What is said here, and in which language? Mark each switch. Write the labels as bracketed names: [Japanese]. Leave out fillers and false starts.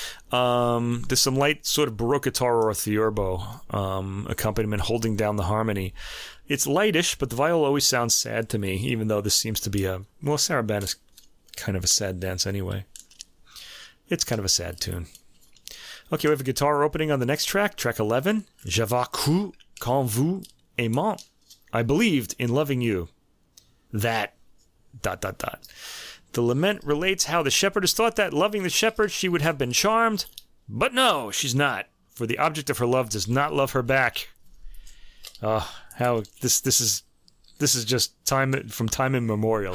[English] There's some light sort of Baroque guitar or theorbo accompaniment holding down the harmony. It's lightish, but the viol always sounds sad to me, even though this seems to be sarabande is kind of a sad dance anyway. It's kind of a sad tune. Okay, we have a guitar opening on the next track, track 11. [French] J'avais cru quand vous aimant. [English] I believed in loving you that ... The lament relates how the shepherdess thought that loving the shepherd, she would have been charmed, but no, she's not, for the object of her love does not love her back. This is just time from time immemorial.